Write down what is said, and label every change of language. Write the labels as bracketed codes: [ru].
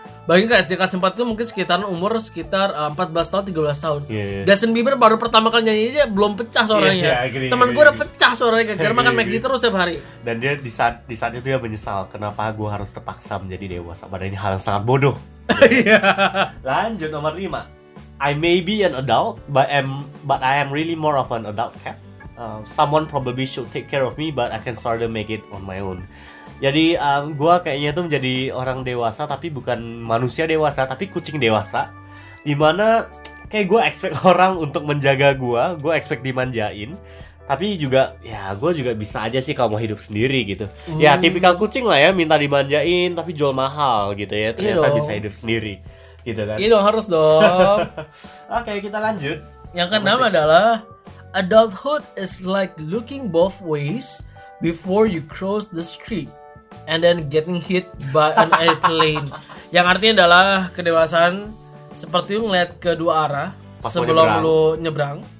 [id] Bagi ke SD kelas 4 itu mungkin sekitar 14 tahun, 13 tahun. Justin Bieber baru pertama kali nyanyi aja belum pecah suaranya. Teman gue udah pecah suaranya karena makan McD terus setiap hari. Dan dia di saat itu dia menyesal, kenapa gue harus terpaksa menjadi dewasa padahal ini hal yang sangat bodoh. Lanjut nomor 5. [en] I may be an adult but I am really more of an adult cat. Someone probably should take care of me but I can sort of make it on my own. [id] Jadi gue kayaknya tuh menjadi orang dewasa tapi bukan manusia dewasa tapi kucing dewasa. Dimana kayak gue expect orang untuk menjaga gue expect dimanjain. Tapi juga ya gue juga bisa aja sih kalau mau hidup sendiri gitu. Ya tipikal kucing lah ya, minta dimanjain tapi jual mahal gitu ya. Ternyata bisa hidup sendiri gitu kan. Iya dong, harus dong. Oke, kita lanjut. Yang keenam adalah [en] adulthood is like looking both ways before you cross the street and then getting hit by an airplane. [id] Yang artinya adalah kedewasaan seperti lu ngeliat ke dua arah pas sebelum lu nyebrang.